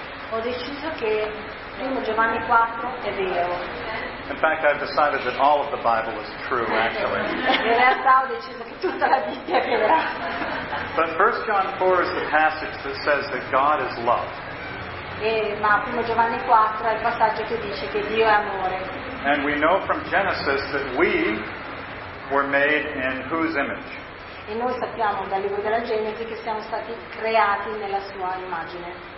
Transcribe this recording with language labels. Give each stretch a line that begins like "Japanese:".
Italian: Ho deciso che 1 Giovanni 4 è vero.
English: In fact, I've decided that all of the Bible is true, actually. But 1 John 4 is the passage that says that God is love. And we know from Genesis that we were made in whose image?
Italian: E noi sappiamo dal libro della Genesi che siamo stati creati nella sua immagine.